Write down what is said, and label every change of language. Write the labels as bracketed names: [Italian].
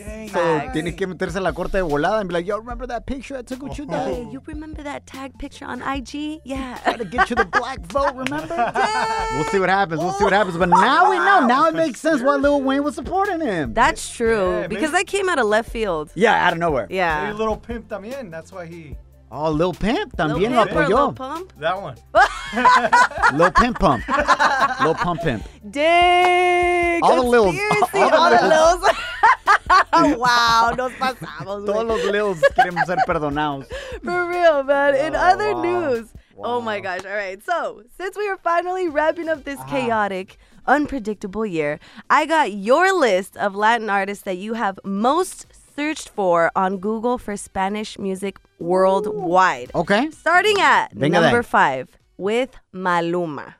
[English] So, [Spanish] tienes que meterse en la corte de volada [English] and be like, yo, remember that picture I took with you, dad? Hey, you remember that tag picture on IG? Yeah. Try to get you the black vote, remember? Dang. We'll see what happens. We'll see what happens. But now we know. Now it makes sense why Lil Wayne was supporting him. That's true. Yeah, because that came out of left field. Yeah, out of nowhere. Yeah. Hey, little pimp [Spanish] también. [English] That's why he... [Spanish] Oh, Lil Pimp, también lo apoyó. [English] Lil Pump? That one. Lil Pimp Pump. Lil Pump Pimp. Dang. All the Lils. All the Lils. Wow, [Spanish] nos pasamos. Todos los Lils queremos ser perdonados. [English] For real, man. In other news. Wow. Oh, my gosh. All right. So, since we are finally wrapping up this chaotic, unpredictable year, I got your list of Latin artists that you have most searched for on Google for Spanish music worldwide. Okay. Starting at number five with Maluma.